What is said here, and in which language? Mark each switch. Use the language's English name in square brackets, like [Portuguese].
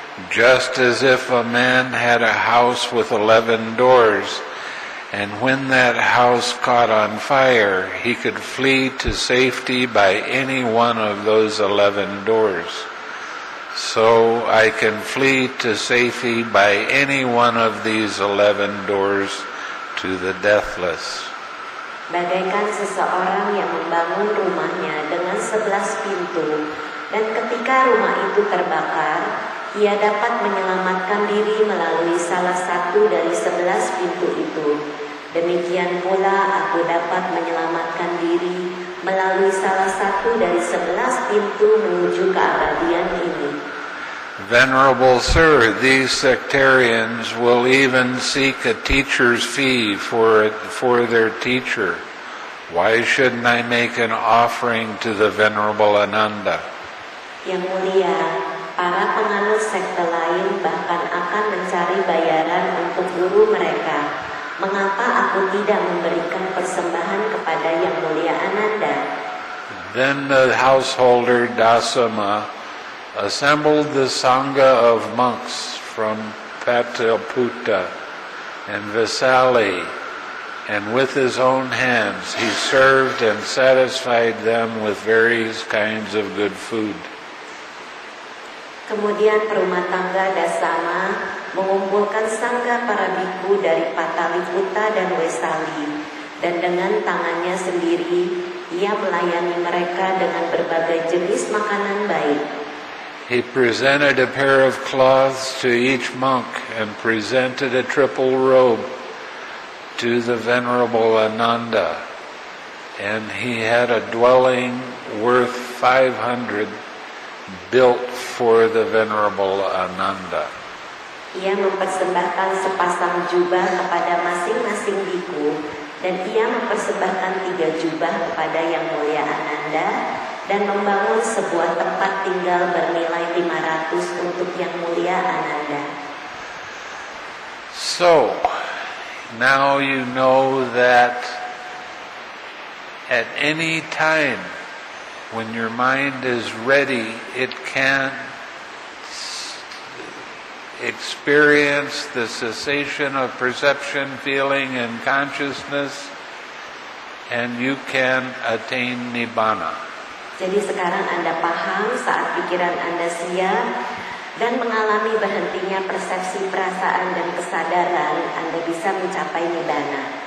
[English] Just as if a man had a house with 11 doors, and when that house caught on fire, he could flee to safety by any one of those 11 doors. So I can flee to safety by any one of these 11 doors to the deathless. [Indonesian] Bagaikan seseorang yang membangun rumahnya dengan 11 pintu, dan ketika rumah itu terbakar, ia dapat menyelamatkan diri melalui salah satu dari 11 pintu itu. Demikian pula aku dapat menyelamatkan diri melalui salah satu dari 11 pintu menuju keabadian ini. [English] Venerable Sir, these sectarians will even seek a teacher's fee for their teacher. Why shouldn't I make an offering to the Venerable Ananda? [Indonesian] Yang Mulia, para penganut sekte lain bahkan akan mencari bayaran untuk guru mereka. Mengapa aku tidak memberikan persembahan kepada Yang Mulia Ananda? [English] Then the householder Dasama assembled the Sangha of monks from Pataliputra and Vaishali, and with his own hands he served and satisfied them with various kinds of good food. [Indonesian] Kemudian perumah tangga Dasama mengumpulkan sangha para bhikkhu dari Pataliputra dan Vaishali, dan dengan tangannya sendiri ia melayani mereka dengan berbagai jenis makanan baik. [English] He presented a pair of cloths to each monk and presented a triple robe to the Venerable Ananda. And he had a dwelling worth 500 built for the Venerable Ananda. [Indonesian] Ia mempersembahkan sepasang jubah kepada masing-masing bhikkhu, dan ia mempersembahkan 3 jubah kepada Yang Mulia Ananda, dan membangun sebuah tempat tinggal bernilai 500 untuk Yang Mulia Ananda. [English] So, now you know that at any time when your mind is ready, it can experience the cessation of perception, feeling, and consciousness, and you can attain Nibbana. [Indonesian] Jadi sekarang Anda paham saat pikiran Anda siap dan mengalami berhentinya persepsi, perasaan, dan kesadaran, Anda bisa mencapai Nibbana.